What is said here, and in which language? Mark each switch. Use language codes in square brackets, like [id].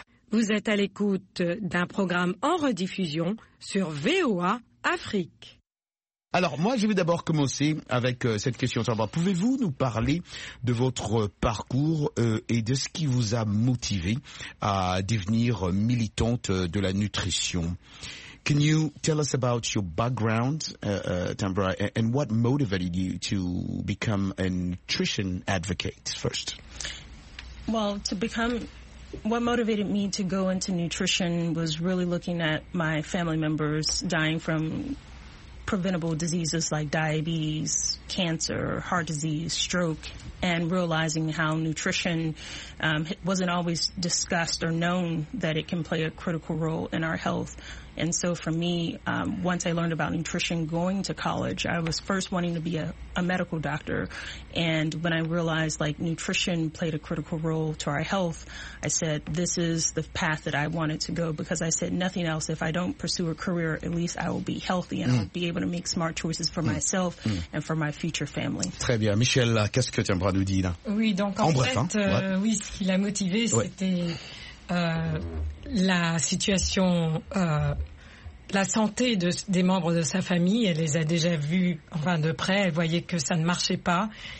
[fr] Vous êtes à l'écoute d'un programme en rediffusion sur VOA Afrique. Alors, moi, je vais d'abord commencer avec cette question. Pouvez-vous nous parler de votre parcours et de ce qui vous a motivé à devenir militante de la nutrition? [en] Can you tell us about your background, Tambra, and what motivated you to become a nutrition advocate first? Well, what motivated me to go into nutrition was really looking at my family members dying from preventable diseases like diabetes, cancer, heart disease, stroke, and realizing how nutrition wasn't always discussed or known that it can play a critical role in our health. And so for me, once I learned about nutrition going to college, I was first wanting to be a medical doctor. And when I realized like nutrition played a critical role to our health, I said, this is the path that I wanted to go, because I said nothing else. If I don't pursue a career, at least I will be healthy and I'll be able to make smart choices for myself and for my future family. [fr] Très bien. Michel, qu'est-ce que tu aimerais nous dire là? Oui, donc en fait, ce qui l'a motivé, c'était... la situation, la santé des membres de sa famille, elle les a déjà vus enfin de près, elle voyait que ça ne marchait pas.